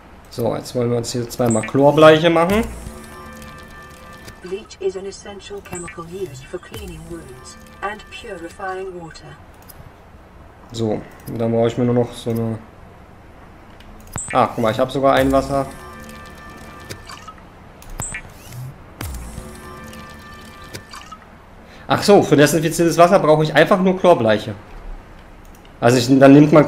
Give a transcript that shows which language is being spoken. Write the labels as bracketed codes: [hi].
[de] So, jetzt wollen wir uns hier zweimal Chlorbleiche machen. [en] Bleach is an essential chemical used for cleaning wounds and purifying water. [de] So, und dann brauche ich mir nur noch so eine... Ah, guck mal, ich habe sogar ein Wasser. Ach so, für desinfiziertes Wasser brauche ich einfach nur Chlorbleiche. Also dann nimmt man...